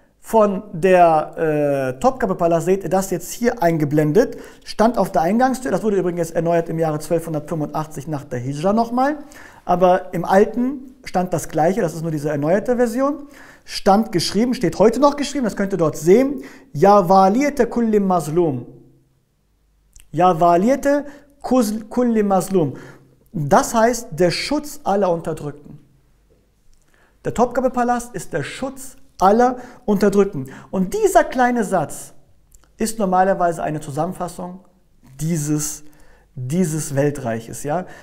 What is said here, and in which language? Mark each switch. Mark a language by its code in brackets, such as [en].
[de] von der Topkapı-Palast seht ihr das jetzt hier eingeblendet. Stand auf der Eingangstür. Das wurde übrigens erneuert im Jahre 1285 nach der Hijra nochmal. Aber im Alten stand das Gleiche, das ist nur diese erneuerte Version. Stand geschrieben, steht heute noch geschrieben, das könnt ihr dort sehen. [ar] Ya valiyete kulli mazlum. Ya valiyete kulli mazlum. [de] Das heißt, der Schutz aller Unterdrückten. Der Topkapı-Palast ist der Schutz aller Unterdrückten. Und dieser kleine Satz ist normalerweise eine Zusammenfassung dieses Weltreiches. Ja?